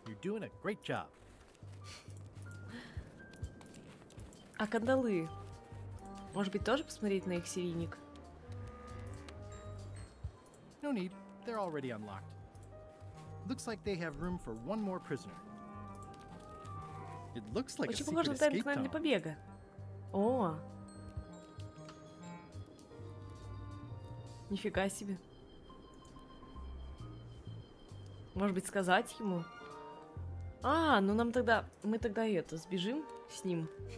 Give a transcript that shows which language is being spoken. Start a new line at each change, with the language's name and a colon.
English: Doing a great job.
Russian: А кандалы? Может быть, тоже посмотреть на их серийник?
English: No need. They're already unlocked. Looks like they have room for one more prisoner. It looks like
Russian: очень похоже на тайный план для побега. О! Нифига себе. Может быть, сказать ему? А, ну нам тогда... Мы тогда это, сбежим с ним.